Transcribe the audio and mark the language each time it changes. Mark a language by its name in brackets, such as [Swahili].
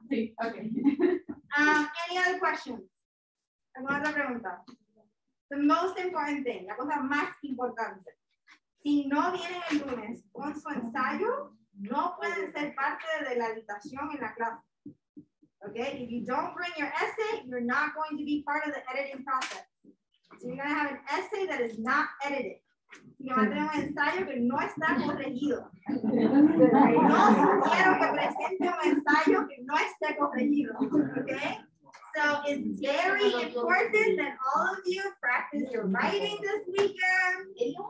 [Spanish] Sí, ok. [English] Any other questions? [Spanish] ¿Alguna otra pregunta? [English] The most important thing, [Spanish] la cosa más importante. Si no vienen el lunes con su ensayo, no pueden ser parte de la editación en la clase. [English] Ok. If you don't bring your essay, you're not going to be part of the editing process. So you're going to have an essay that is not edited. You're going to have an essay that is not edited. [Spanish] No sugiero que presente un ensayo que no esté corregido. [English] Okay? So it's very important that all of you practice your writing this weekend.